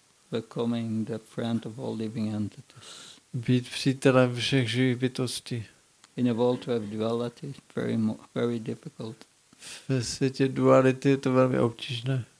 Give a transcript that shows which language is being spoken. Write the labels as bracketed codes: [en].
[en] Becoming the friend of all living entities. [cs] Být přítelem všech živých bytostí. [en] In a world of duality, very difficult. [cs] Ve světě duality je to velmi obtížné.